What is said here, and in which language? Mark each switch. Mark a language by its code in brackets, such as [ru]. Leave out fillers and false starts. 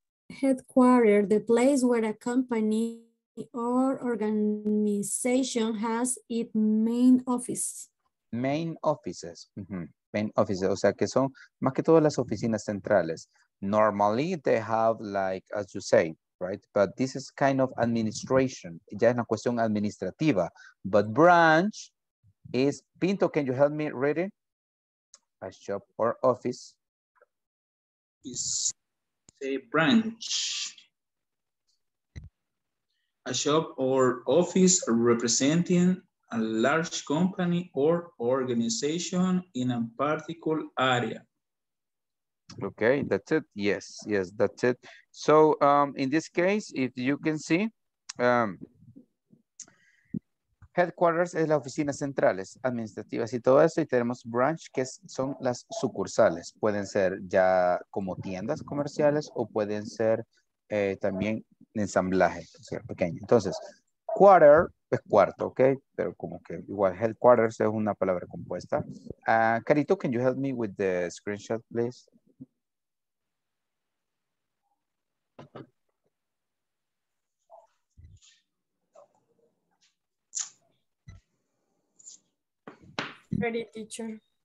[en] headquarters, the place where a company or organization has its main office. Main offices. Mm-hmm. Main offices, [es] o sea que son más que todas las oficinas centrales. [en] Normally they have like, as you say, right? But this is kind of administration. [es] Ya es una cuestión administrativa. [en] But branch is, Pinto, can you help me read it? A shop or office. It's a branch. A shop or office representing a large company or organization in a particular area. Okay, that's it. Yes, yes, that's it. So in this case, if you can see, [es] headquarters es las oficinas centrales, administrativas y todo eso, y tenemos branch, que son las sucursales. Pueden ser ya como tiendas comerciales o pueden ser también ensamblaje, o sea, pequeño. Entonces, quarter es cuarto, ¿ok? Pero como que igual, headquarters es una palabra compuesta. [en] Carito, can you help me with the screenshot, please? Ready, teacher.